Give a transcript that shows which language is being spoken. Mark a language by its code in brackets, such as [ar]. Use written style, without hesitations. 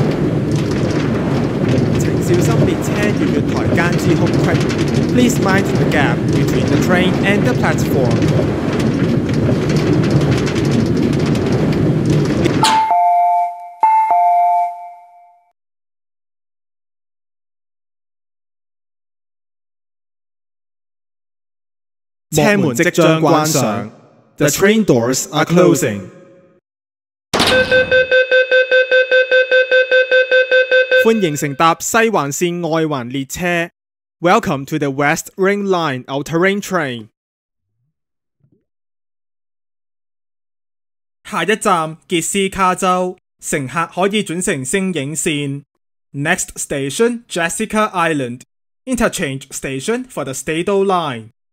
[zh] 小心列車與月台間之空隙。 [en] Please mind the gap between the train and the platform. [zh] 車門即將關上。 [en] The train doors are closing. [zh] 欢迎乘搭西环线外环列车。 [en] Welcome to the West Ring Line Outering Train. [zh] 下一站杰斯卡州，乘客可以转乘星影线。 [en] Next station Jessica Island, interchange station for the Stado Line.